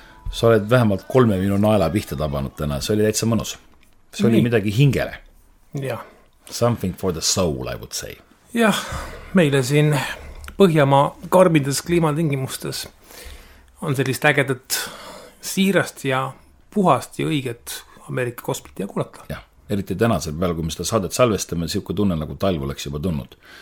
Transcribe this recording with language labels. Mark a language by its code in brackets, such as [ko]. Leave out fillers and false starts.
[et] Sa oled vähemalt 3 minu naela pihta tabanud täna. See oli täitsa mõnus. See oli midagi hingele. Jah. [en] Something for the soul, I would say. [et] Jah, meile siin Põhjamaa karmides kliimatingimustes on sellist ägedat siirast ja puhast ja õiget Ameerika kosmitia kuulata. Jah, eriti tänasel peal, kui me seda saadet salvestame, siuke tunne nagu talv oleks juba tunnud.